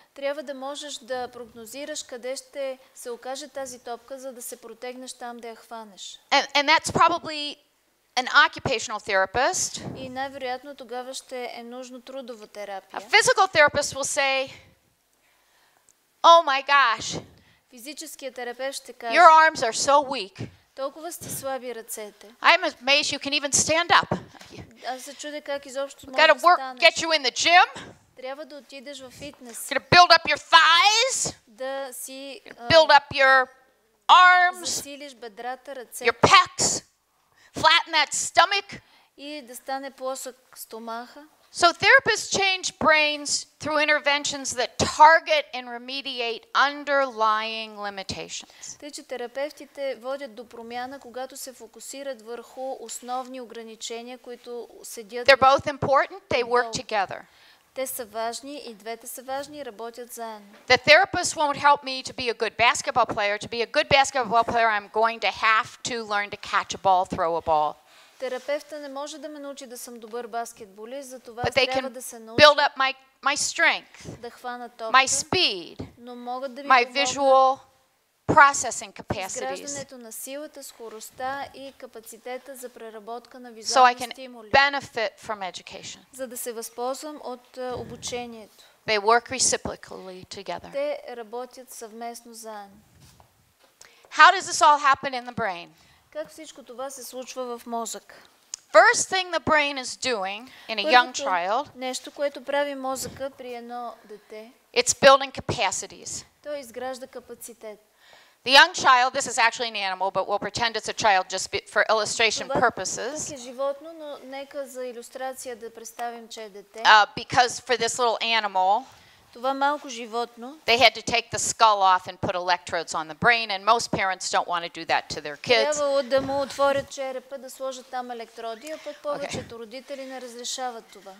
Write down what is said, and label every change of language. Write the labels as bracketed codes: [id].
[bg] Трябва да можеш да прогнозираш къде ще се окаже тази топка, за да се протегнеш там да я хванеш. [en] And that's probably an occupational therapist. [bg] И най-вероятно тогава ще е нужно трудова терапия. [en] A physical therapist will say, "Oh my gosh." [bg] Физическият терапевт ще каже, [en] "Your arms are so weak." [bg] Толкова сте слаби ръцете. [en] I'm amazed you can even stand up. [bg] Аз се чудя как изобщо можеш да станеш. [en] Gotta get you in the gym. [bg] Трябва да отидеш във фитнес. [en] Gotta build up your thighs. [bg] Да си [en] build up your arms. [bg] Засилиш бедрата, ръцете. [en] Your pecs. Flatten that stomach. [bg] И да стане плосък стомаха. [en] So therapists change brains through interventions that target and remediate underlying limitations. [bg] Тъй че терапевтите водят до промяна, когато се фокусират върху основни ограничения, които седят. [en] They're both important, they work together. [bg] Те са важни и двете са важни и работят заедно. [en] The therapist won't help me to be a good basketball player. To be a good basketball player, I'm going to have to learn to catch a ball, throw a ball. [bg] Терапевта не може да ме научи да съм добър баскетболист, затова трябва да се научи [en] build up my strength, [bg] да хвана топка, [en] my speed, [bg] но могат да ми [en] my visual processing capacities. [bg] Изграждането на силата, скоростта и капацитета за преработка на визуални стимули. [en] So I can [bg] стимули, [en] benefit from education. [bg] За да се възползвам от обучението. [en] They work reciprocally together. [bg] Те работят съвместно заедно. [en] How does this all happen in the brain? [bg] Как всичко това се случва в мозък? [en] First thing the brain is doing in a young child. [bg] Нещо, което прави мозъка при едно дете. [en] It's building capacities. [bg] Той изгражда капацитет. [en] The young child, this is actually an animal, but we'll pretend it's a child just for illustration purposes. [bg] Това е животно, но нека за илюстрация да представим, че е дете. [en] Because for this little animal, [bg] това малко животно, [en] they had to take the skull off and put electrodes on the brain, and most parents don't want to do that to their kids. [bg] Трябвало да му отворят черепа, да сложат там електроди, а пък повечето родители не разрешават това.